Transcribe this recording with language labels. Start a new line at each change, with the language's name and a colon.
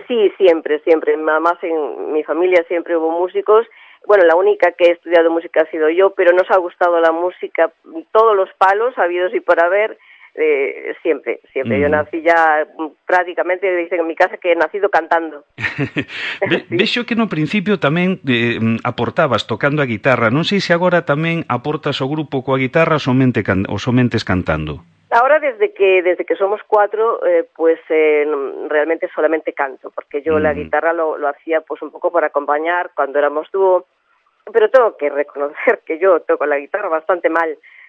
Spanish: Sí, siempre, siempre. Además, en mi familia siempre hubo músicos. Bueno, la única que he estudiado música ha sido yo, pero nos ha gustado la música, todos los palos habidos y por haber, siempre, siempre. Yo nací ya prácticamente, dicen en mi casa que he nacido cantando.
Galician: Veixo que no principio tamén aportabas tocando a guitarra. Non sei se agora tamén aportas o grupo coa guitarra ou somente cantando.
Spanish: Ahora, desde que somos cuatro, realmente solamente canto, porque yo la guitarra lo hacía pues un poco para acompañar cuando éramos dúo, pero tengo que reconocer que yo toco la guitarra bastante mal.